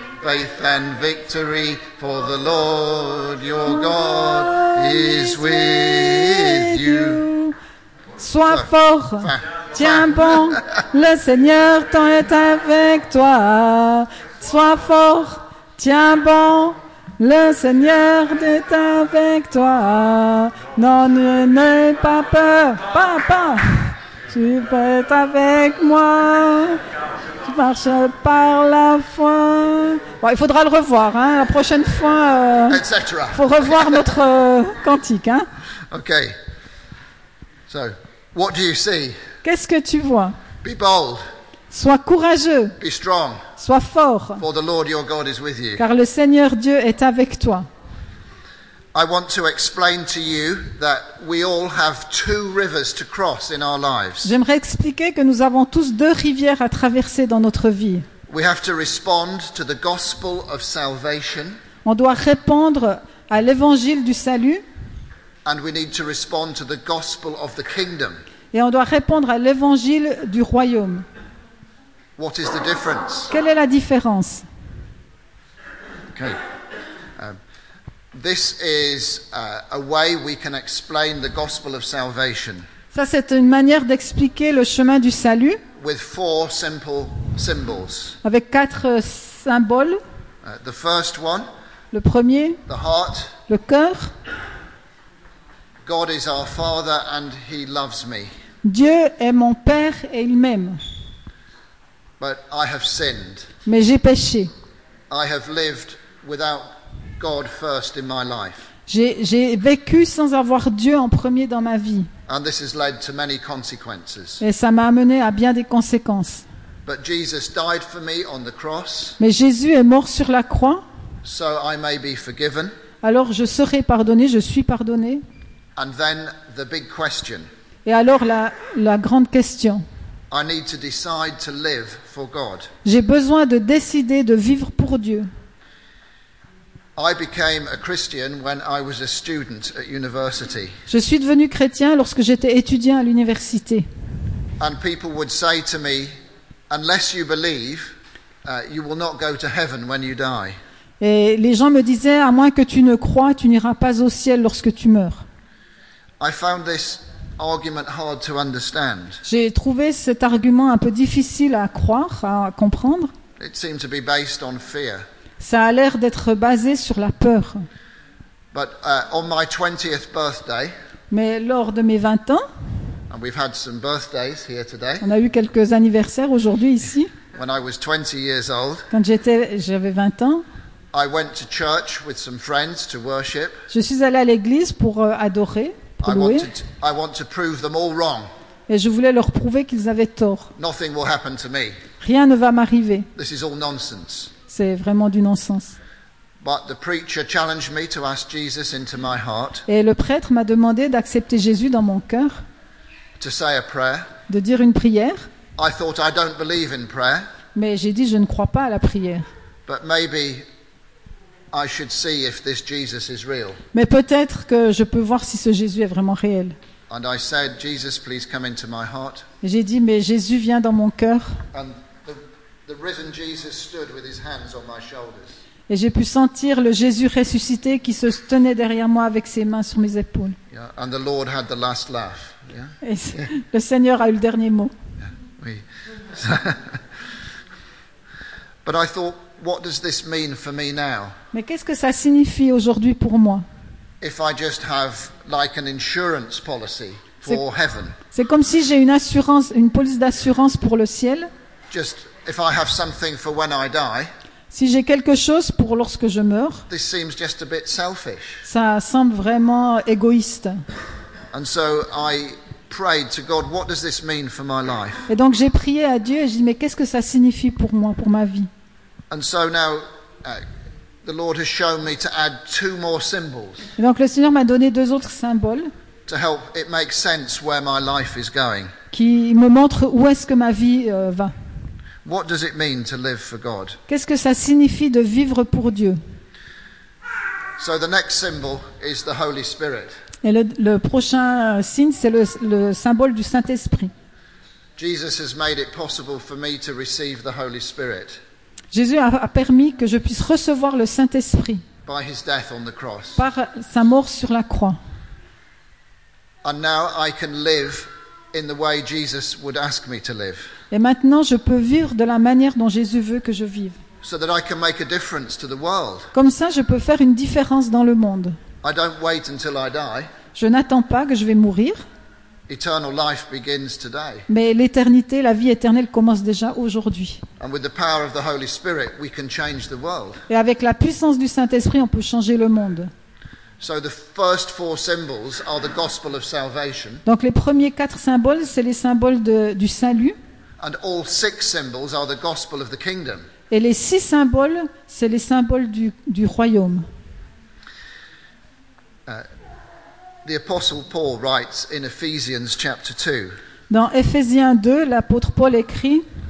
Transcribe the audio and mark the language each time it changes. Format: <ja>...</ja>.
<en>Faith and victory, for the Lord your God is with you.</en> <fr>Sois fort, tiens bon, le Seigneur ton est avec toi. Sois fort, tiens bon, le Seigneur est avec toi. Non, n'aie pas peur, papa, tu peux être avec moi. Tu marches par la foi. Bon, il faudra le revoir, hein, la prochaine fois. Etc. Il faut revoir notre cantique, hein.</fr> <en>Okay. So, what do you see?</en> <fr>Qu'est-ce que tu vois?</fr> <en>Be bold.</en> <fr>Sois courageux.</fr> <en>Be strong.</en> <fr>Sois fort.</fr> <en>For the Lord your God is with you.</en> <fr>Car le Seigneur Dieu est avec toi.</fr> <en>I want to explain to you that we all have two rivers to cross in our lives.</en> <fr>J'aimerais expliquer que nous avons tous deux rivières à traverser dans notre vie.</fr> <en>We have to respond to the gospel of salvation.</en> <fr>On doit répondre à l'évangile du salut.</fr> <en>And we need to respond to the gospel of the kingdom.</en> <fr>Et on doit répondre à l'évangile du royaume.</fr> <en>What is the difference?</en> <fr>Quelle est la différence?</fr> <en>Okay. This is a way we can explain the gospel of salvation.</en> <fr>Ça c'est une manière d'expliquer le chemin du salut.</fr> <en>With four simple symbols.</en> <fr>Avec quatre symboles.</fr> <en>The first one.</en> <fr>Le premier.</fr> <en>The heart.</en> <fr>Le cœur.</fr> <en>God is our Father and He loves me.</en> <fr>Dieu est mon père et il m'aime.</fr> <en>But I have sinned.</en> <fr>Mais j'ai péché.</fr> <en>I have lived without God first in my life.</en> <fr>J'ai vécu sans avoir Dieu en premier dans ma vie.</fr> <en>And this has led to many consequences.</en> <fr>Et ça m'a amené à bien des conséquences.</fr> <en>But Jesus died for me on the cross.</en> <fr>Mais Jésus est mort sur la croix.</fr> <en>So I may be forgiven.</en> <fr>Alors je serai pardonné, je suis pardonné.</fr> <en>And then the big question.</en> <fr>Et alors la grande question.</fr> <en>I need to decide to live for God.</en> <fr>J'ai besoin de décider de vivre pour Dieu.</fr> <en>I became a Christian when I was a student at university.</en> <fr>Je suis devenu chrétien lorsque j'étais étudiant à l'université.</fr> <en>And people would say to me, unless you believe, you will not go to heaven when you die.</en> <fr>Et les gens me disaient, à moins que tu ne crois, tu n'iras pas au ciel lorsque tu meurs.</fr> <en>I found this argument hard to understand.</en> <fr>J'ai trouvé cet argument un peu difficile à croire, à comprendre.</fr> <en>It seemed to be based on fear.</en> <fr>Ça a l'air d'être basé sur la peur.</fr> <en>But, on my 20th birthday,</en> <fr>mais lors de mes 20 ans,</fr> <en>and we've had some birthdays here today,</en> <fr>on a eu quelques anniversaires aujourd'hui ici.</fr> <en>When I was 20 years old,</en> <fr>quand j'avais 20 ans,</fr> <en>I went to church with some friends to worship.</en> <fr>Je suis allé à l'église pour adorer, pour louer.</fr> <en>I want to prove them all wrong.</en> <fr>Et je voulais leur prouver qu'ils avaient tort.</fr> <en>Nothing will happen to me.</en> <fr>Rien ne va m'arriver.</fr> <en>This is all nonsense.</en> <fr>C'est vraiment du non-sens.</fr> <en>But the preacher challenged me to ask Jesus into my heart.</en> <fr>Et le prêtre m'a demandé d'accepter Jésus dans mon cœur.</fr> <en>To say a prayer.</en> <fr>De dire une prière.</fr> <en>I thought I don't believe in prayer.</en> <fr>Mais j'ai dit je ne crois pas à la prière.</fr> <en>But maybe I should see if this Jesus is real.</en> <fr>Mais peut-être que je peux voir si ce Jésus est vraiment réel.</fr> <en>And I said, Jesus, please come into my heart.</en> <fr>Et j'ai dit mais Jésus viens dans mon cœur.</fr> <en>The risen Jesus stood with his hands on my shoulders.</en> <fr>Et j'ai pu sentir le Jésus ressuscité qui se tenait derrière moi avec ses mains sur mes épaules.</fr> <en>Yeah. And the Lord had the last laugh. Yeah.</en> <fr>Et le Seigneur a eu le dernier mot.</fr> <en>Yeah. Oui. But I thought, what does this mean for me now?</en> <fr>Mais qu'est-ce que ça signifie aujourd'hui pour moi?</fr> <en>If I just have like an insurance policy. for heaven.</en> <fr>C'est comme si j'ai une assurance, une police d'assurance pour le ciel.</fr> <en>Just if I have something for when I die.</en> <fr>Si j'ai quelque chose pour lorsque je meurs.</fr> <en>This seems just a bit selfish.</en> <fr>Ça semble vraiment égoïste.</fr> <en>And so I prayed to God, what does this mean for my life?</en> <fr>Et donc j'ai prié à Dieu et j'ai dit, mais qu'est-ce que ça signifie pour moi, pour ma vie?</fr> <en>And so now the Lord has shown me to add two more symbols.</en> <fr>Et donc le Seigneur m'a donné deux autres symboles.</fr> <en>To help it make sense where my life is going.</en> <fr>Qui me montre où est-ce que ma vie va.</fr> <en>What does it mean to live for God?</en> <fr>Qu'est-ce que ça signifie de vivre pour Dieu?</fr> <en>So the next symbol is the Holy Spirit.</en> <fr>Et le prochain signe, c'est le symbole du Saint-Esprit.</fr> <en>Jesus has made it possible for me to receive the Holy Spirit.</en> <fr>Jésus a permis que je puisse recevoir le Saint-Esprit.</fr> <en>By his death on the cross.</en> <fr>Par sa mort sur la croix.</fr> <en>And now I can live in the way Jesus would ask me to live.</en> <fr>Et maintenant, je peux vivre de la manière dont Jésus veut que je vive.</fr> <en>So that I can make a difference to the world.</en> <fr>Comme ça, je peux faire une différence dans le monde.</fr> <en>I don't wait until I die.</en> <fr>Je n'attends pas que je vais mourir.</fr> <en>Eternal life begins today.</en> <fr>Mais l'éternité, la vie éternelle commence déjà aujourd'hui.</fr> <en>And with the power of the Holy Spirit, we can change the world.</en> <fr>Et avec la puissance du Saint-Esprit, on peut changer le monde.</fr> <en>So the first four symbols are the gospel of salvation.</en> <fr>Donc les premiers quatre symboles, c'est les symboles du salut.</fr> <en>And all six symbols are the gospel of the kingdom.</en> <fr>Et les six symboles, c'est les symboles du royaume.</fr> <en>The apostle Paul writes in Ephesians chapter 2.</en> <fr>Dans Éphésiens 2, l'apôtre Paul écrit</fr>